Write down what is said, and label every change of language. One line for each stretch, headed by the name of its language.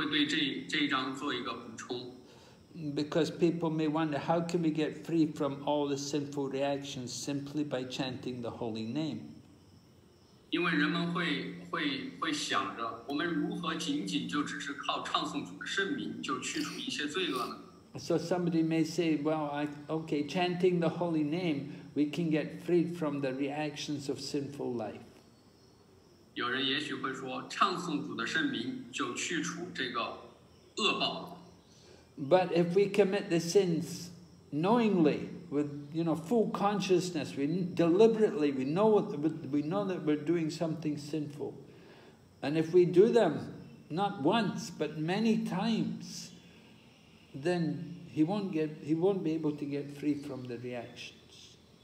Chinese: 在这一章的最后，我们有一位阿查惹讲，会对这一章做一个补充。
English: Because people may wonder, how can we get free from all the sinful reactions simply by chanting the holy name?
Chinese: 因为人们会想着，我们如何仅仅就只是靠唱诵主的圣名就去除一些罪恶呢？
English: So somebody may say, well, chanting the holy name, we can get freed from the reactions of sinful life.
Chinese: 有人也许会说，唱诵主的圣名就去除这个恶报。
English: But if we commit the sins knowingly, with full consciousness, we deliberately know that we're doing something sinful, and if we do them not once but many times, then he won't be able to get free from the reactions.